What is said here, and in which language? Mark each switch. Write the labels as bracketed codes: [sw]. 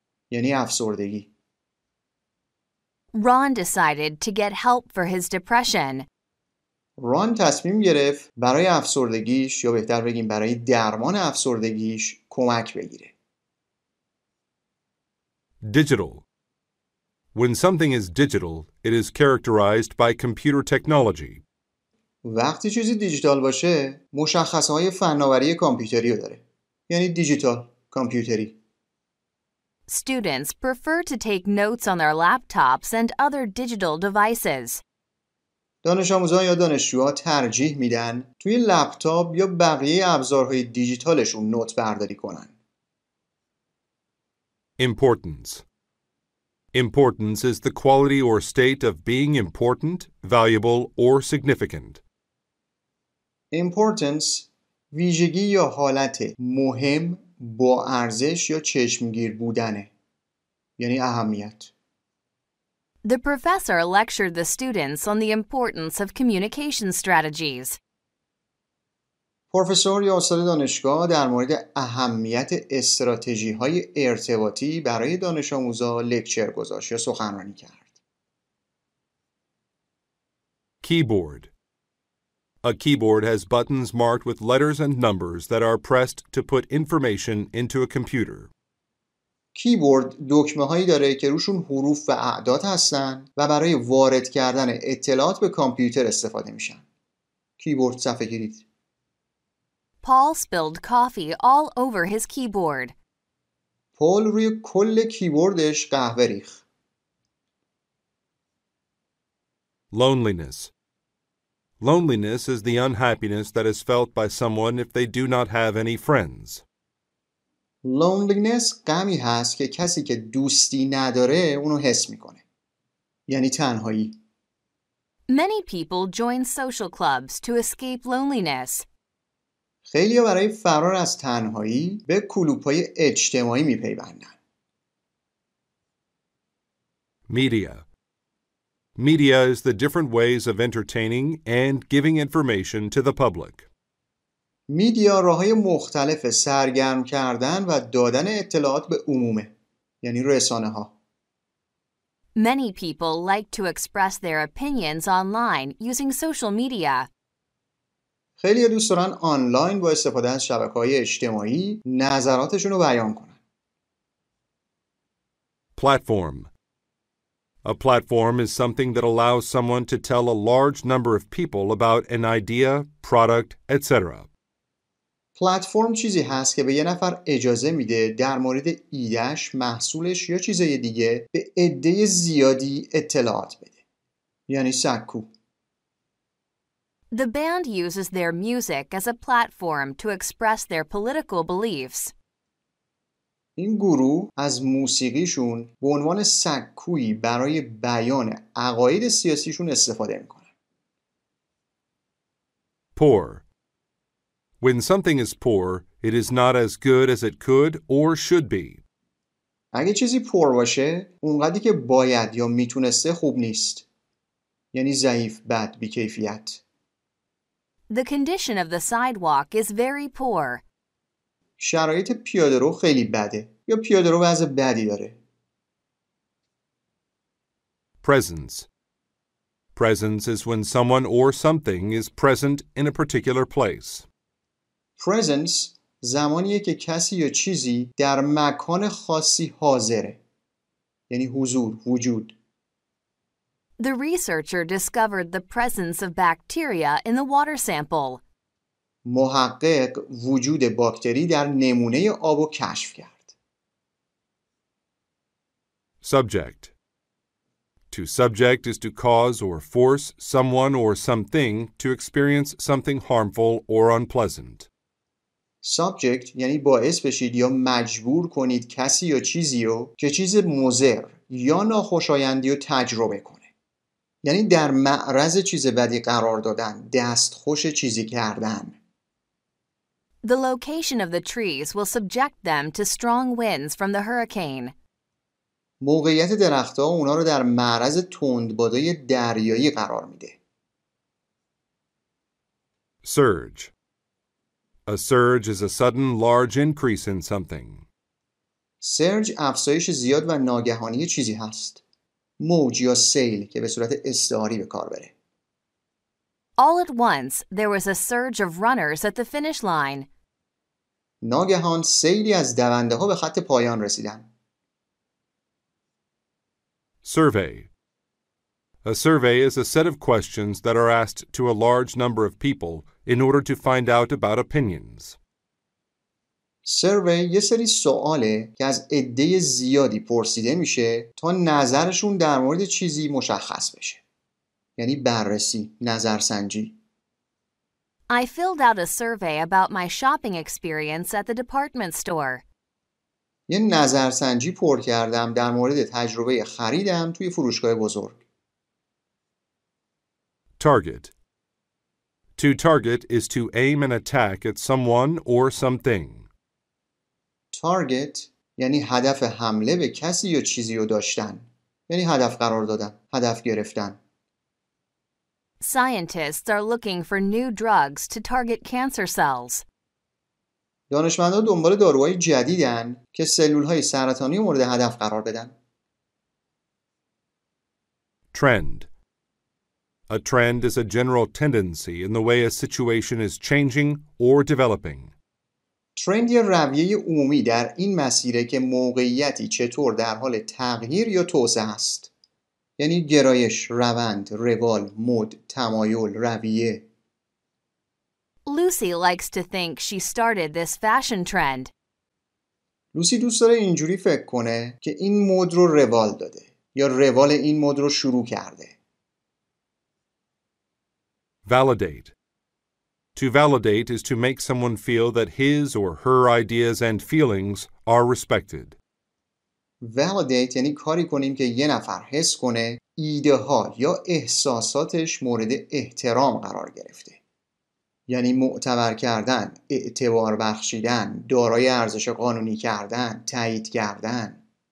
[fa] یعنی افسردگی. [en] Ron decided to get help for his depression. [fa] Ron تصمیم گرفت برای افسردگیش یا بهتر بگیم برای درمان افسردگیش کمک بگیره. [en] Digital. When something is digital, it is characterized by computer technology. [fa] وقتی چیزی دیجیتال باشه، مشخصه‌های فناوری کامپیوتری رو داره. یعنی دیجیتال، کامپیوتری. [en] Students prefer to take notes on their laptops and other digital devices. [fa] دانش آموزان یا دانشجوها ترجیح میدن توی لپتاپ یا بقیه ابزارهای دیجیتالشون نوت برداری کنن. [en] Importance. Importance is the quality or state of being important, valuable, or significant. [fa] Importance ویژگی یا حالت مهم با ارزش یا چشمگیر بودنه. یعنی اهمیت. [en] The professor lectured the students on the importance of communication strategies. [fa] پروفسور یا استاد دانشگاه در مورد اهمیت استراتژی‌های ارتباطی برای دانش آموزا لکچر گذاشت یا سخنرانی کرد. [en] Keyboard. A keyboard has buttons marked with letters and numbers that are pressed to put information into a computer. [fa] کیبورد دکمه‌هایی داره که روشون حروف و اعداد هستن و برای وارد کردن اطلاعات به کامپیوتر استفاده میشن. کیبورد صفحه کلید. [en] Paul spilled coffee all over his keyboard. [fa] پول روی کل کیبوردش قهوه ریخت. [en] Loneliness. Loneliness is the unhappiness that is felt by someone if they do not have any friends. [fa] Loneliness غمی هست که کسی که دوستی نداره اونو حس میکنه. یعنی تنهایی. [en] Many people join social clubs to escape loneliness. [fa] خیلی‌ها برای فرار از تنهایی به کلوپ‌های اجتماعی می‌پیوندن. [en] Media. Media is the different ways of entertaining and giving information to the public. [fa] میدیا راه‌های مختلف سرگرم کردن و دادن اطلاعات به عمومه. یعنی رسانه‌ها. [en] Many people like to express their opinions online using social media. [fa] خیلی دوست دارن آنلاین با استفاده از شبکه‌های اجتماعی نظراتشون رو بیان کنن. [en] Platform. A platform is something that allows someone to tell a large number of people about an idea, product, etc. [fa] پلتفرم چیزی هست که به یه نفر اجازه میده در مورد ایدهش، محصولش یا چیزای دیگه به عده زیادی اطلاعات بده. یعنی سکو. [en] The band uses their music as a platform to express their political beliefs. [fa] این گروه از موسیقیشون به عنوان سکویی برای بیان عقاید سیاسیشون استفاده میکنن. [en] Poor. When something is poor, it is not as good as it could or should be. [fa] اگه چیزی poor باشه، اونقدری که باید یا میتونسته خوب نیست. یعنی ضعیف، بد، بیکیفیت. [en] The condition of the sidewalk is very poor. [fa] شرایط پیاده رو خیلی بده یا پیاده رو وضع بدی داره. [en] Presence. Presence is when someone or something is present in a particular place. [fa] Presence زمانیه که کسی یا چیزی در مکان خاصی حاضره. یعنی حضور، وجود. [en] The researcher discovered the presence of bacteria in the water sample. [fa] محقق وجود باکتری در نمونه آبو کشف کرد. [en] Subject. To subject is to cause or force someone or something to experience something harmful or unpleasant. [fa] Subject یعنی باعث بشید یا مجبور کنید کسی یا چیزی رو که چیز مضر یا ناخوشایندی رو تجربه کنه. یعنی در معرض چیز بدی قرار دادن، دستخوش چیزی کردن. [en] The location of the trees will subject them to strong winds from the hurricane. [fa] موقعیت درخت‌ها اونا رو در معرض تندبادهای دریایی قرار میده. [en] Surge. A surge is a sudden large increase in something. [fa] Surge افزایش زیاد و ناگهانی چیزی هست. موج یا سیل که به صورت استعاری به کار بره. [en] All at once there was a surge of runners at the finish line. [fa] ناگهان سیلی از دونده‌ها به خط پایان رسیدن. [en] Survey. A survey is a set of questions that are asked to a large number of people in order to find out about opinions. [fa] Survey یه سری سواله که از عده زیادی پرسیده میشه تا نظرشون در مورد چیزی مشخص بشه. یعنی بررسی، نظرسنجی. [en] I filled out a survey about my shopping experience at the department store. [fa] یه نظرسنجی پر کردم در مورد تجربه خریدم توی فروشگاه بزرگ. [en] Target. To target is to aim an attack at someone or something. [fa] Target یعنی هدف حمله به کسی یا چیزی رو داشتن. یعنی هدف قرار دادن، هدف گرفتن. [en] Scientists are looking for new drugs to target cancer cells. [fa] دانشمندان دنبال داروهای جدیدن که سلول‌های سرطانی مورد هدف قرار بدن. [en] Trend. A trend is a general tendency in the way a situation is changing or developing. [fa] Trend یه رویه عمومی در این مسیره که موقعیتی چطور در حال تغییر یا توسعه است. یعنی گرایش، روند، روال، مد، تمایل، رویه. [en] Lucy likes to think she started this fashion trend. [fa] لوسی دوست داره اینجوری فکر کنه که این مد رو روال داده یا روال این مد رو شروع کرده. [en] Validate. To validate is to make someone feel that his or her ideas and feelings are respected. [fa] Validate یعنی کاری کنیم که یه نفر حس کنه ایده ها یا احساساتش مورد احترام قرار گرفته. یعنی معتبر کردن، اعتبار بخشیدن، دارای ارزش قانونی کردن، تایید کردن.